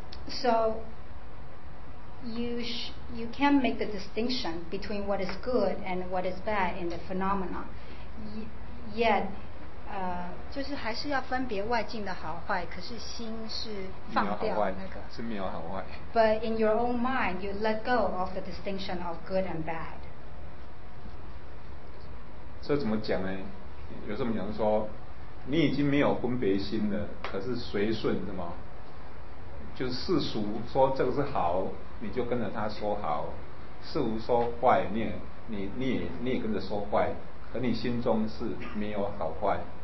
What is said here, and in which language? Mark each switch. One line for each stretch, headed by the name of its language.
English: So you can make the distinction between what is good and what is bad in the phenomena. Yet,
Chinese: 就是还是要分别外境的好坏，可是心是放掉那个。是没有好坏。
English: But in your own mind, you let go of the distinction of good and bad.
Chinese: 这怎么讲呢？有这么讲说，你已经没有分别心了，可是随顺什么？就是世俗说这个是好，你就跟着他说好；世俗说坏，你也跟着说坏，可你心中是没有好坏。